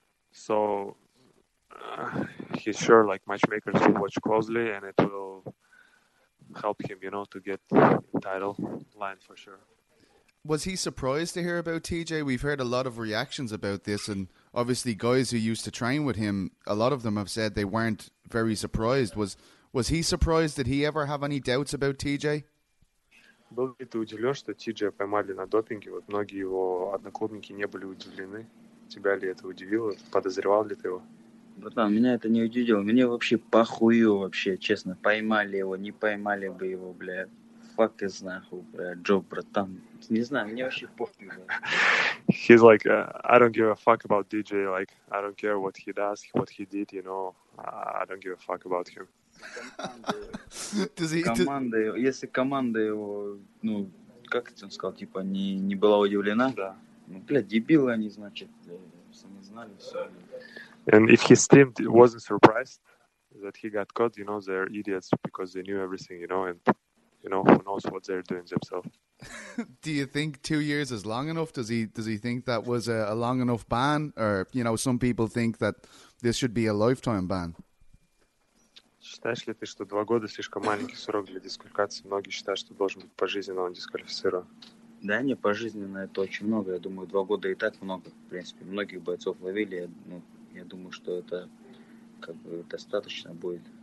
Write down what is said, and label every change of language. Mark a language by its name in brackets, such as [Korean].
[English] So, he's sure, like, matchmakers will watch closely, and it will help him, you know, to get title line for sure. Was he surprised to hear about TJ? We've heard a lot of reactions about this, and obviously guys who used to train with him, a lot of them have said they weren't very surprised. Was he surprised? Did he ever have any doubts about TJ? [Russian] Был ли ты удивлен, что TJ поймали на допинге? Вот многие его одноклубники не были удивлены. Тебя ли это удивило? Подозревал ли ты его? Братан, меня это не удивило. Мне вообще похую вообще, честно. Поймали его, не поймали бы его, блядь. Fuck is nahu, Джо, братан. Не знаю, мне вообще похуй. [English] He's like, I don't give a fuck about DJ. Like, I don't care what he does, what he did, you know. I don't give a fuck about him. [Russian] Команда, если команда его, ну, как это он сказал, типа, не была удивлена? Да. Ну, блядь, дебилы они, значит, сами знали все. [English] And if his team wasn't surprised that he got caught, you know, they're idiots because they knew everything, you know, and... You know, who knows what they're doing themselves. Do you think 2 years is long enough? Does he think that was a long enough ban? Or, you know, some people think that this should be a lifetime ban. [Russian] Считаешь ли ты, что 2 года слишком маленький срок для дисквалификации? Многие считают, что должен быть пожизненно он дисквалифицирован. Да, не пожизненно, это очень много. Я думаю, 2 года и так много. В принципе, многих бойцов ловили. Ну, я думаю, что это как бы достаточно будет.